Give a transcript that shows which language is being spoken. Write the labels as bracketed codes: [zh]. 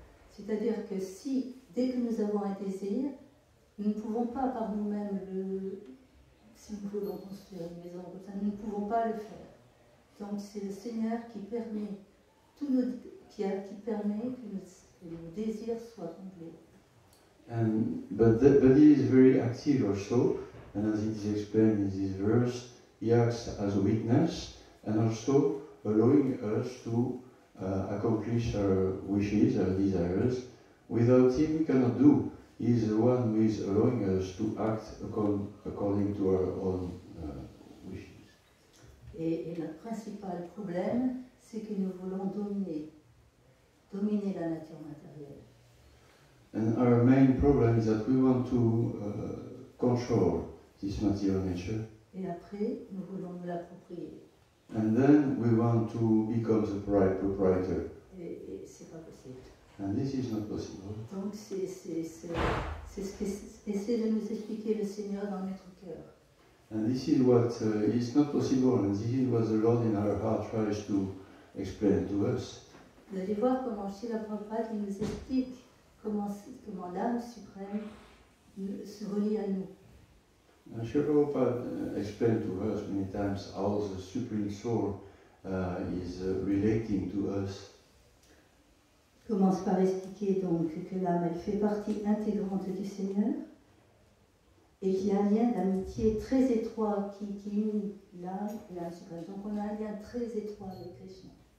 [fr] C'est-à-dire que si, dès que nous avons un désir, nous ne pouvons pas par nous-mêmes le. Si nous voulons construire une maison, nous ne pouvons pas le faire. Donc c'est le Seigneur qui permet tout nos, qui permet que nos désirs soient comblés. [en] But he is very active also, and as it is explained in this verse, he acts as a witness and also allowing us to accomplish our wishes, our desires. Without him, we cannot do. He is the one who is allowing us to act according to our own wishes. [fr] Et le principal problème, c'est que nous voulons dominer la nature matérielle. [en] And our main problem is that we want to control this material nature. [fr] Et après, nous voulons nous l'approprier. [en] And then we want to become the proprietor. [fr] Et c'est pas possible. [en] And this is not possible. [fr] Donc c'est ce qu'essaie de nous expliquer le Seigneur dans notre cœur. [en] And this is what is not possible, and this is what the Lord in our heart tries to explain to us. [fr] Vous allez voir comment Srila Prabhupada nous explique comment l'âme suprême se relie à nous. [en] Srila Prabhupada explained to us many times how the supreme soul is relating to us. [fr] Commence par expliquer donc que l'âme elle fait partie intégrante du Seigneur et qu'il y a un lien d'amitié très étroit qui unit l'âme et l'âme suprême. Donc on a un lien très étroit avec Krishna.